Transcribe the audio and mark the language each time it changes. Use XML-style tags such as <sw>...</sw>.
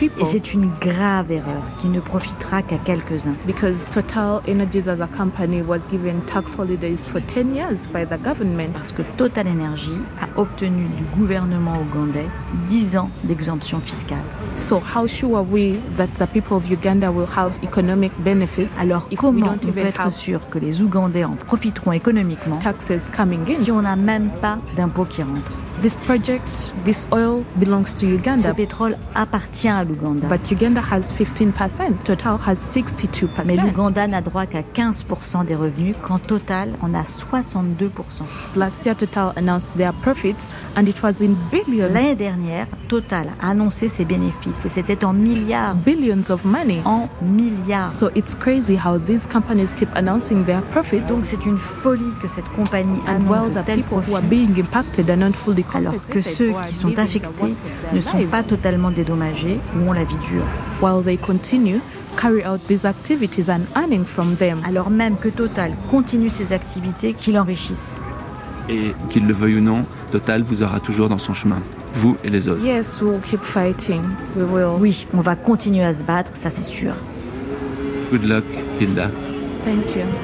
<fr>et c'est une grave erreur qui ne profitera qu'à quelques-uns.</fr> <en>Because Total Energies as a company was given tax holidays for 10 years by the government.</en> <fr>Parce que Total Energy a obtenu du gouvernement ougandais 10 ans d'exemption fiscale.</fr> <en>So how sure are we that the people of Uganda will have economic benefits?</en> <fr>Alors comment on peut être sûr que les Ougandais en profiteront économiquement?</fr> <en>Taxes coming in.</en> <fr>Si on n'a même pas d'impôts qui rentrent.</fr> <en>This project, this oil belongs to Uganda.</en> <fr>Ce pétrole appartient à l'Ouganda.</fr> <en>But Uganda has 15%. Total has 62%.</en> <fr>Mais l'Ouganda n'a droit qu'à 15% des revenus quand Total en a 62%.</fr> <en>Last year Total announced their profits and it was in billions.</en> <fr>L'année dernière, Total a annoncé ses bénéfices et c'était en milliards.</fr> <en>Billions of money.</en> <fr>En milliards.</fr> <en>So it's crazy how these companies keep announcing their profits.</en> <fr>Donc c'est une folie que cette compagnie</fr> <en>and</en> <fr>annonce de tels profits.</fr> <en>Who are being impacted and unfully.</en> <fr>Alors que ceux qui sont affectés ne sont pas totalement dédommagés ou ont la vie dure.</fr> <en>While they continue carry out these activities and earning from them.</en> <fr>Alors même que Total continue ses activités qui l'enrichissent. Et qu'il le veuille ou non, Total vous aura toujours dans son chemin, vous et les autres.</fr> <en>Yes, we'll keep fighting. We will.</en> <fr>Oui, on va continuer à se battre, ça c'est sûr.</fr> <en>Good luck, Hilda. Thank you.</en>